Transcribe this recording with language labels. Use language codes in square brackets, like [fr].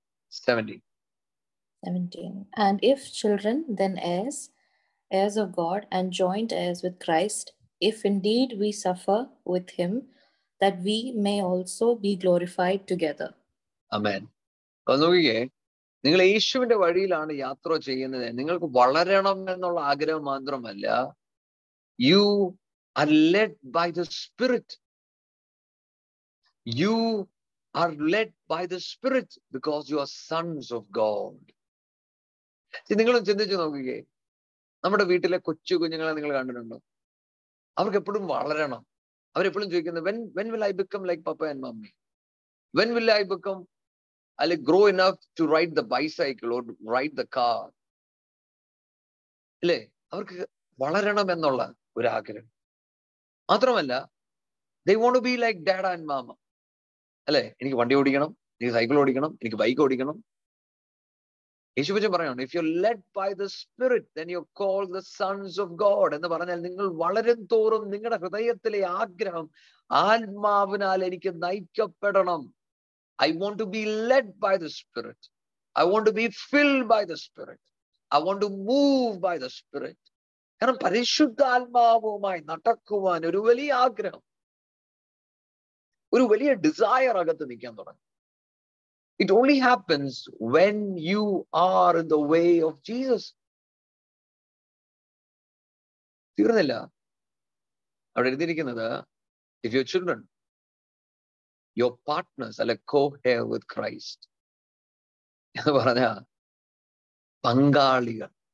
[en] 17. And if children, then heirs, heirs of God and joint heirs with Christ, if indeed we suffer with him, that we may also be glorified together. Amen. [ml] കണ്ണുകേ, നിങ്ങൾ യേശുവിന്റെ വഴിയിലാണ് യാത്ര ചെയ്യുന്നത്. നിങ്ങൾക്ക് വളരണം എന്നുള്ള ആഗ്രഹം മാത്രമല്ല, [en] you are led by the Spirit. You are led by the Spirit because you are sons of God. [ml] നിങ്ങളും ചിന്തിച്ചു നോക്കുകേ, നമ്മുടെ വീട്ടിലെ കൊച്ചു കുഞ്ഞുങ്ങളെ നിങ്ങൾ കണ്ടിട്ടുണ്ടോ? അവർക്ക് എപ്പോഴും വളരണം. അവരെപ്പോഴും ചോദിക്കുന്നത് [en] when will I become like papa and mommy? When will I become, I'll grow enough to ride the bicycle or ride the car? [ml] അല്ലേ, അവർക്ക് വളരണം എന്നുള്ള ഒരു ആഗ്രഹം. മാത്രമല്ല, [en] they want to be like dad and mama. [ml] അല്ലേ, എനിക്ക് വണ്ടി ഓടിക്കണം, എനിക്ക് സൈക്കിൾ ഓടിക്കണം, എനിക്ക് ബൈക്ക് ഓടിക്കണം. യേശുവിനെ പറയണം, [en] if you're led by the Spirit, then you're called the sons of God. [ml] എന്ന് പറഞ്ഞാൽ നിങ്ങൾ വളരും തോറും നിങ്ങളുടെ ഹൃദയത്തിലെ ആഗ്രഹം ആത്മാവിനാൽ എനിക്ക് നയിക്കപ്പെടണം. [en] I want to be led by the Spirit. I want to be filled by the Spirit. I want to move by the Spirit. [ml] കാരണം പരിശുദ്ധാത്മാവുമായി നടക്കുവാൻ ഒരു വലിയ ആഗ്രഹം, ഒരു വലിയ ഡിസയർ അകത്ത് നിൽക്കാൻ തുടങ്ങി. [en] It only happens when you are in the way of Jesus. [ml] തീർന്നില്ല അവിടെ എഴുതിയിരിക്കുന്നത്, [en] if your children, your partners, [ml] അല്ലെ, [en] co-heir with Christ [ml] എന്ന് പറഞ്ഞ പങ്കാളികൾ.